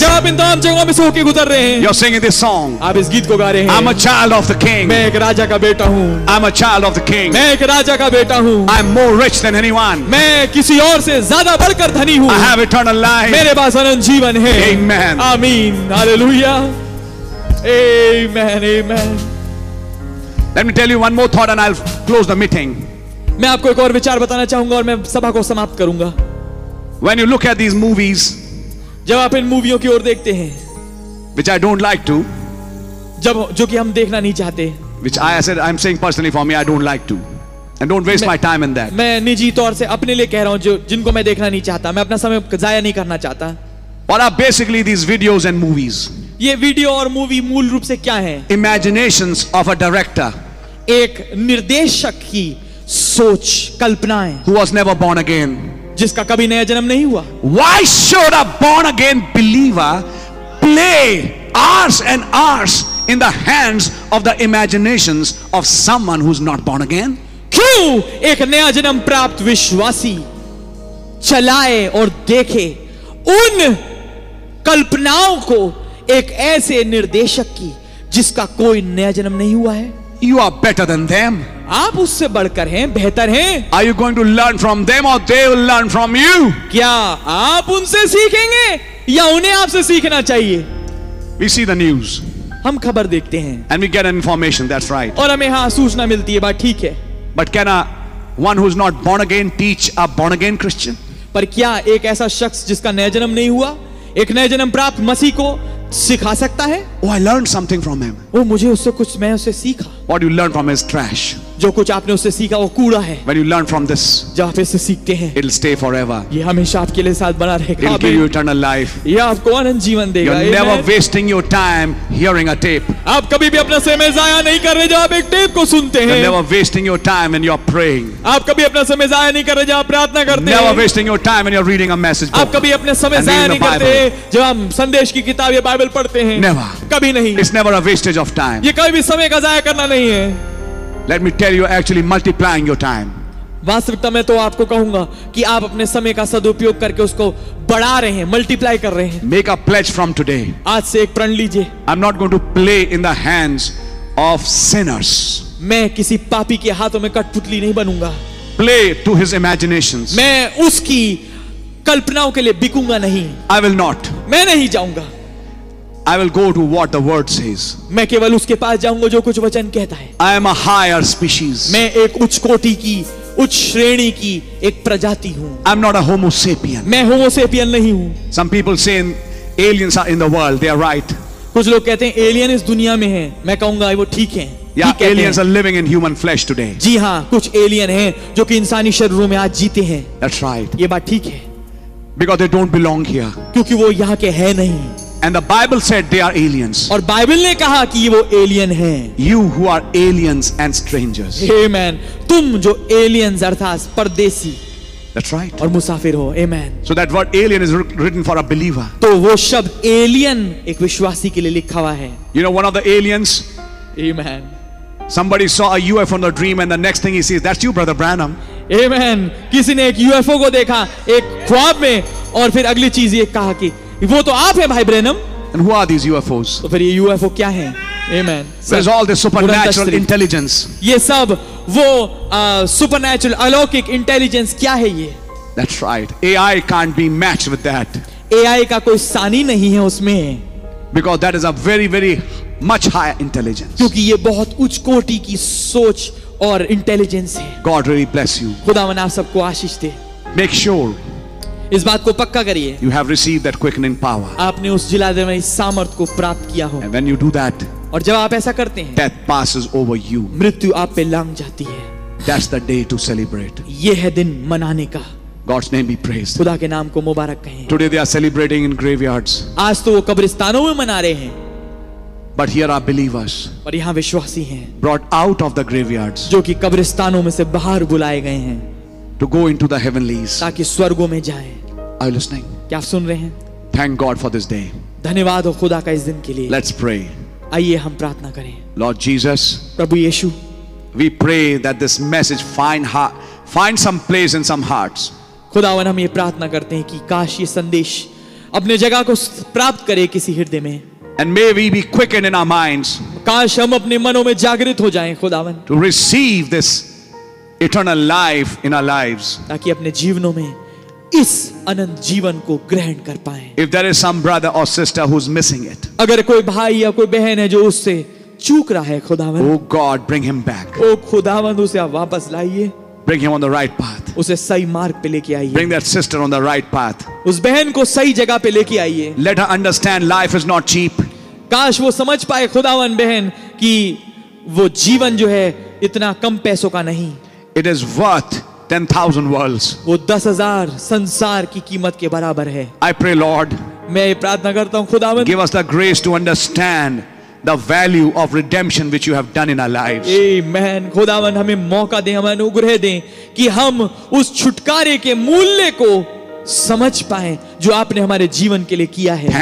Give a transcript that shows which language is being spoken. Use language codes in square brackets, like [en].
[hi] जब आप इन तमाम जगहों में होके गुजर रहे हैं. [en] You are singing this song. [hi] आप इस गीत को गा रहे हैं. [en] I am a child of the king. [hi] मैं एक राजा का बेटा हूँ. [en] I am a child of the king. [hi] मैं एक राजा का बेटा हूँ. [en] I am more rich than anyone. [hi] मैं किसी और से ज्यादा बढ़कर धनी हूँ. [en] I have eternal life. [hi] मेरे पास अनंत जीवन है. आमीन. आमीन. हालेलुया. आमीन. आमीन. [en] Let me tell you one more thought and I'll close the meeting. [hi] मैं आपको एक और विचार बताना चाहूंगा और मैं सभा को समाप्त करूंगा. [en] When you look at these movies, [hi] जब आप इन मूवियों की ओर देखते हैं, [en] which I don't like to, [hi] जब जो कि हम देखना नहीं चाहते, [en] which I said I'm saying personally for me I don't like to, and don't waste my time in that. [hi] मैं निजी तौर से अपने लिए कह रहा हूं जो जिनको मैं देखना नहीं चाहता, मैं अपना समय जाया नहीं करना चाहता. [en] What are basically these videos and movies? [hi] ये वीडियो और मूवी मूल रूप से क्या है? [en] Imaginations of a director. [hi] एक निर्देशक की सोच, कल्पनाएं. [en] Who was never born again. [hi] जिसका कभी नया जन्म नहीं हुआ. [en] Why should a born again believer play hours and hours in the hands of the imaginations of someone who's not born again? [hi] क्यों एक नया जन्म प्राप्त विश्वासी चलाए और देखे उन कल्पनाओं को एक ऐसे निर्देशक की जिसका कोई नया जन्म नहीं हुआ है. [en] You are better than them. [hi] आप उससे बढ़कर हैं, बेहतर हैं. [en] Are you going to learn from them or they will learn from you? [hi] क्या आप उनसे सीखेंगे या उन्हें आपसे सीखना चाहिए? [en] We see the news. [hi] हम खबर देखते हैं. [en] And we get an information. That's right. [hi] और हमें हाँ सूचना मिलती है, बात ठीक है. [en] But can a one who's not born again teach a born again Christian? [hi] पर क्या एक ऐसा शख्स जिसका नया जन्म नहीं हुआ एक नया जन्म प्राप्त मसीह को सिखा सकता है? [en] Oh, I learned something from him. [hi] वो मुझे उससे कुछ मैं उससे सीखा. [en] What you learned from his trash. [hi] जो कुछ आपने उससे सीखा वो कूड़ा है. [en] When you learn from this. [hi] जब आप इससे सीखते हैं. [en] It'll stay forever. [hi] ये हमेशा आपके लिए साथ बना रहेगा. [en] It'll give you eternal life. [hi] ये आपको अनंत जीवन देगा. [en] You're never wasting your time hearing a tape. [hi] आप कभी भी अपना समय जाया नहीं कर रहे जब आप एक टेप को सुनते हैं. [en] You're never wasting your time when you're praying. [hi] आप कभी अपना समय जाया नहीं कर रहे जब आप प्रार्थना करते हैं. [en] You're never wasting your time when you're reading a message book. [hi] आप कभी अपना समय जाया नहीं करते जब हम संदेश की किताब या बाइबल पढ़ते हैं. [en] Never. [hi] कभी नहीं. [en] It's never a wastage of time. [hi] ये कभी भी समय का जाया करना नहीं है. [en] Let me tell you, actually multiplying your time. [hi] वास्तविकता में तो आपको कहूंगा कि आप अपने समय का सदुपयोग करके उसको बढ़ा रहे हैं, मल्टीप्लाई कर रहे हैं. [en] Make a pledge from today. [hi] आज से एक प्रण लीजिए. [en] I'm not going to play in the hands of sinners. [hi] मैं किसी पापी के हाथों में कठपुतली नहीं बनूंगा. [en] Play to his imaginations. [hi] मैं उसकी कल्पनाओं के लिए बिकूंगा नहीं. [en] I will not. [hi] मैं नहीं जाऊंगा. [en] I will go to what the word says. [hi] मैं केवल उसके पास जाऊंगा जो कुछ वचन कहता है. [en] I am a higher species. [hi] मैं एक उच्च कोटि की, उच्च श्रेणी की एक प्रजाति हूँ. [en] I am not a homo sapien. [hi] मैं homo sapien नहीं हूँ. [en] Some people say aliens are in the world. They are right. [hi] कुछ लोग कहते हैं alien इस दुनिया में हैं. मैं कहूँगा वो ठीक हैं. [en] Yeah, aliens are living in human flesh today. [hi] जी हाँ, कुछ alien हैं जो कि इंसानी शरीरों में आज जीते हैं. [en] That's right. [hi] ये बात ठीक है. [en] Because they don't belong here. [hi] क्योंकि वो यहाँ के हैं नहीं. [en] And the Bible said they are aliens. [hi] और बाइबल ने कहा कि वो एलियन हैं. [en] You who are aliens and strangers. Amen. [hi] तुम जो aliens अर्थात परदेशी. [en] That's right. [hi] और मुसाफिर हो. Amen. [en] So that word alien is written for a believer. [hi] तो वो शब्द alien एक विश्वासी के लिए लिखा हुआ है. [en] You know one of the aliens. Amen. Somebody saw a UFO in the dream and the next thing he sees, that's you, Brother Branham. Amen. [hi] किसी ने एक UFO को देखा एक ख्वाब में और फिर अगली चीज ये कहा कि वो तो आप हैं भाई ब्रेनम. [en] And who are these UFOs? [hi] तो फिर ये UFO क्या हैं? [en] Amen. There's all this supernatural intelligence. [hi] ये सब वो supernatural अलौकिक intelligence क्या है ये? [en] That's right. AI can't be matched with that. [hi] AI का कोई सानी नहीं है उसमें. [en] Because that is a very very much higher intelligence. [hi] क्योंकि ये बहुत उच्च कोटि की सोच और intelligence है. [en] God really bless you. [hi] खुदावन आप सबको आशीष दे. [en] Make sure. [hi] इस बात को पक्का करिए. [en] You have received that quickening power. [hi] आपने उस जिलाधिकारी सामर्थ को प्राप्त किया हो. [en] And when you do that, [hi] और जब आप ऐसा करते हैं, [en] death passes over you. [hi] मृत्यु आप पे लांग जाती है. [en] That's the day to celebrate. [hi] ये है दिन मनाने का. [en] God's name be praised. [hi] खुदा के नाम को मुबारक कहें. [en] Today they are celebrating in graveyards. [hi] आज तो वो कब्रिस्तानों में मना रहे हैं. [en] But here are believers. [hi] पर यहाँ विश्वासी हैं. [en] Brought out of the graveyards. [hi] जो कि कब्रिस्तानों में से बाहर बुलाए गए हैं. [en] To go into the heavenlies. [hi] ताकि स्वर्गों में जाए. [en] Are you listening? [hi] क्या आप सुन रहे हैं? [en] Thank God for this day. [hi] धन्यवाद हो खुदा का इस दिन के लिए. [en] Let's pray. [hi] आइए हम प्रार्थना करें. [en] Lord Jesus. [hi] Prabhu Yeshu. [en] We pray that this message find some place in some hearts. [hi] खुदावन हम ये प्रार्थना करते हैं कि काश ये संदेश अपने जगह को प्राप्त करे किसी हृदय में. [en] And may we be quickened in our minds. [hi] काश हम अपने मनों में जागृत हो जाएं खुदावन. [en] To receive this eternal life in our lives. [hi] ताकि अपने जीवनों में इस अनंत जीवन को ग्रहण कर पाएं. [en] If there is some brother or sister who's missing it. [hi] अगर कोई भाई या कोई बहन है जो उससे चूक रहा है खुदावन. [en] Oh God, bring him back. [hi] ओ खुदावन उसे आप वापस लाइए. [en] Bring him on the right path. [hi] उसे सही मार्ग पे लेके आइए. [en] Bring that sister on the right path. [hi] उस बहन को सही जगह पे लेके आइए. [en] Let her understand life is not cheap. [hi] काश वो समझ पाए खुदावन बहन कि वो जीवन जो है इतना कम पैसों का नहीं. [en] It is worth 10,000 worlds. [hi] वो 10,000 संसार की कीमत के बराबर है. [en] I pray Lord. [hi] मैं ये प्रार्थना करता हूँ खुदावन. [en] Give us the grace to understand the value of redemption which you have done in our lives. Amen. [hi] खुदावन हमें मौका दे, हमें अनुग्रह दे कि हम उस छुटकारे के मूल्य को समझ पाए जो आपने हमारे जीवन के लिए किया है.